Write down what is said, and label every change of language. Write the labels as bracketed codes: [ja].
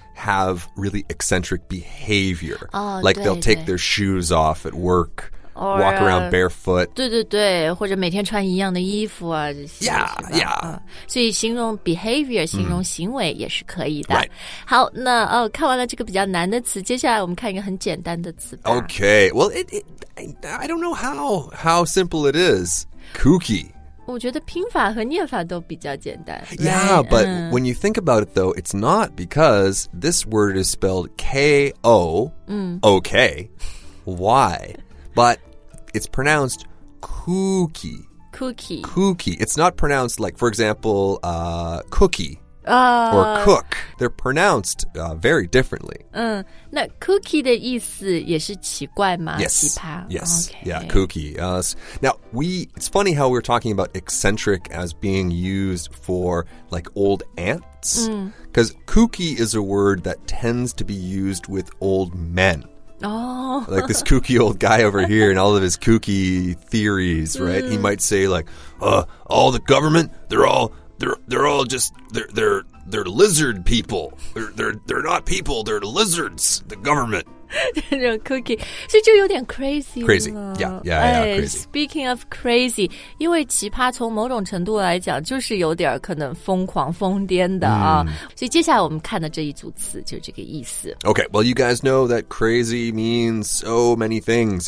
[en] have really eccentric behavior. Oh, like they'll take their shoes off at work, or, walk around barefoot. [zh] 对对对，或者每天穿一样的衣服啊，这些。 [en] Yeah, yeah. [zh] 所以形容 behavior, 形容行为也是可以的。 [en] Right. [zh] 好，那哦，看完了这个比较难的词，接下来我们看一个很简单的词吧。 [en] Okay, well, I don't know how simple it is. Kooky. [zh] 我觉得拼法和念法都比较简单。 [en] Right? Yeah, but when you think about it, though, it's not because this word is spelled K-O-O-K-Y, but it's pronounced kooky. Kooky. Kooky. It's not pronounced like, for example, cookie. Or cook. They're pronounced very differently. [zh] 那 cookie 的意思也是奇怪吗？ [en] Yes. [zh] 奇葩。 [en] Yes. Okay. Yeah, kooky. It's funny how we're talking about eccentric as being used for like old aunts. Because kooky is a word that tends to be used with old men. Oh. Like this kooky old guy over here and all of his kooky theories, right? He might say like, all the government, they're all just lizard people. They're not people. They're lizards. The government. Kooky. [zh] So 就有点 crazy. [en] Crazy. Yeah, crazy. Speaking of crazy, [zh] 因为奇葩从某种程度来讲就是有点可能疯狂疯癫的啊。所以接下来我们看的这一组词就是这个意思。 [en] Okay, well, you guys know that crazy means so many things.